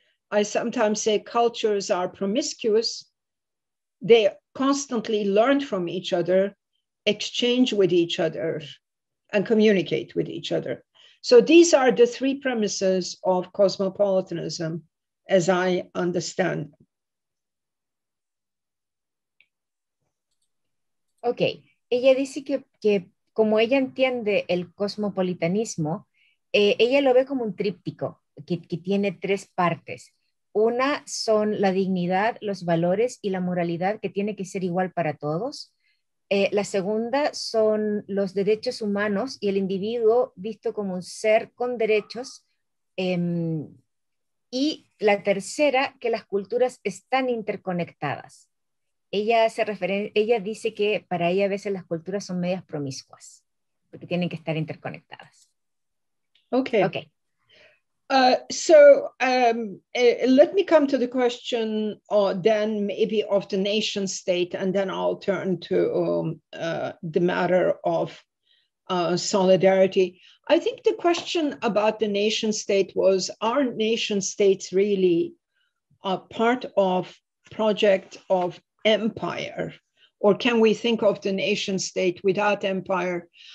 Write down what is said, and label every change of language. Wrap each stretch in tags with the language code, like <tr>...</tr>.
<en>I sometimes say cultures are promiscuous. They constantly learn from each other, exchange with each other, and communicate with each other. So these are the three premises of cosmopolitanism, as I understand. Okay.</en> <es>Ella dice que como ella entiende el cosmopolitanismo, ella lo ve como un tríptico, que tiene tres partes. Una son la dignidad, los valores y la moralidad, que tiene que ser igual para todos. La segunda son los derechos humanos y el individuo visto como un ser con derechos. Y la tercera, que las culturas están interconectadas. Ella dice que para ella a veces las culturas son medias promiscuas, porque tienen que estar interconectadas.</es> <en>Okay. Let me come to the question then maybe of the nation state, and then I'll turn to the matter of solidarity. I think the question about the nation state was, are nation states really a part of project of empire, or can we think of the nation state without empire?</en>